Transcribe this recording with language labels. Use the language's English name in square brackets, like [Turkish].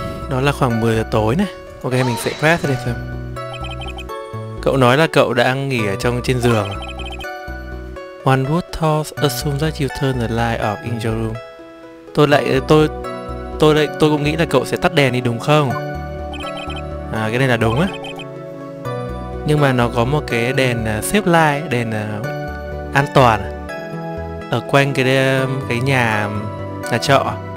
[Vietnamese] Đó là khoảng 10 giờ tối này. Ok, mình sẽ press đây xem. Cậu nói là cậu đang nghỉ ở trên giường. [English] One would thought assume that you turn the light off in your room. [Vietnamese] Tôi cũng nghĩ là cậu sẽ tắt đèn đi đúng không? Cái này là đúng á. Nhưng mà nó có một cái đèn xếp light, đèn an toàn ở quanh cái nhà trọ.